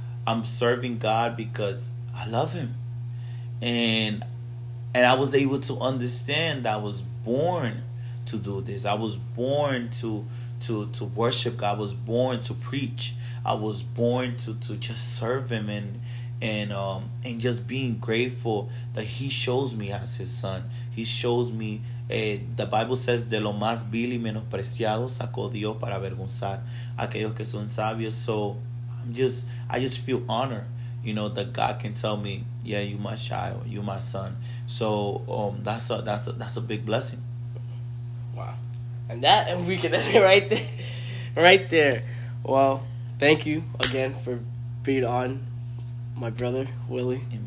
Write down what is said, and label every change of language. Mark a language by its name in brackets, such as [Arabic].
[English] I'm serving God because I love him. And I was able to understand that I was born to do this. I was born to worship God. I was born to preach. I was born to just serve him and just being grateful that he shows me as his son. He shows me, the Bible says, [Spanish] de lo más vil y menospreciado sacó Dios para avergonzar aquellos que son sabios. [English] So I just feel honored, you know, that God can tell me, yeah, you my child, you my son. So that's a big blessing. Wow. And we can end it right there. Well, thank you again for being on, my brother, Willie.